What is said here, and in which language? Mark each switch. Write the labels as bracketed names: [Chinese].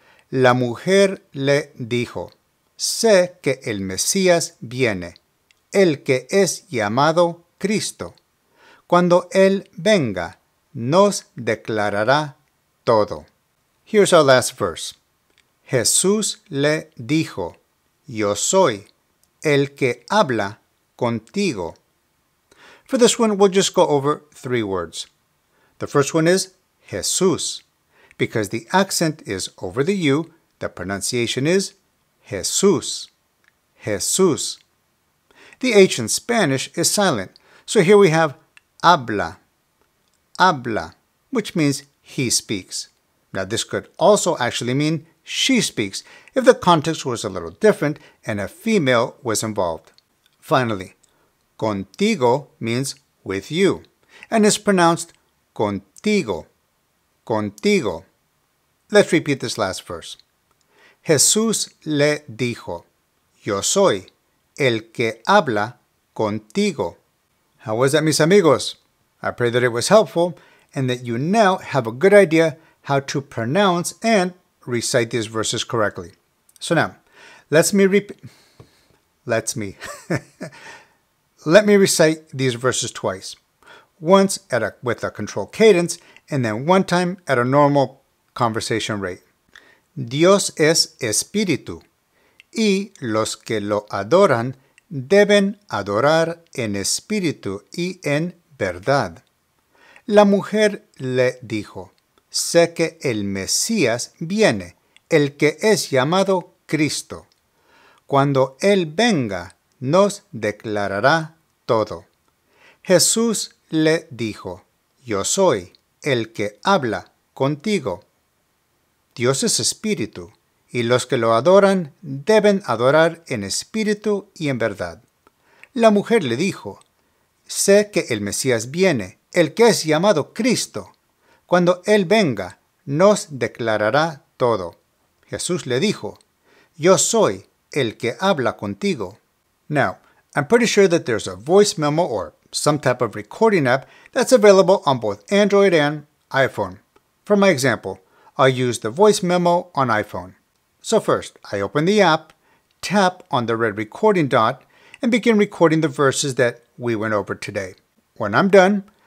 [Spanish] La mujer le dijo, sé que el Mesías viene, el que es llamado Cristo. Cuando él venga, nos declarará todo. [English] Here's our last verse. [Spanish] Jesús le dijo, yo soy el que habla contigo. [English] For this one, we'll just go over three words. The first one is Jesús. Because the accent is over the U, the pronunciation is Jesús, Jesús. The H in Spanish is silent, so here we have habla, habla, which means he speaks. Now, this could also actually mean she speaks if the context was a little different and a female was involved. Finally, contigo means with you and is pronounced contigo, contigo. Let's repeat this last verse. [Spanish] Jesús le dijo, yo soy el que habla contigo. [English] How was that, [Spanish] mis amigos? [English] I pray that it was helpful and that you now have a good idea how to pronounce and recite these verses correctly. So now, let me recite these verses twice. Once with a controlled cadence, and then one time at a normal conversation rate. [Spanish] Dios es espíritu, y los que lo adoran deben adorar en espíritu y en verdad. La mujer le dijo, sé que el Mesías viene, el que es llamado Cristo. Cuando él venga, nos declarará todo. Jesús le dijo, yo soy el que habla contigo. Dios es espíritu, y los que lo adoran deben adorar en espíritu y en verdad. La mujer le dijo, sé que el Mesías viene, el que es llamado Cristo. Cuando él venga, nos declarará todo. Jesús le dijo, yo soy el que habla contigo. [English] Now, I'm pretty sure that there's a voice memo or some type of recording app that's available on both Android and iPhone. For my example, I'll use the voice memo on iPhone. So first, I open the app, tap on the red recording dot, and begin recording the verses that we went over today. When I'm done,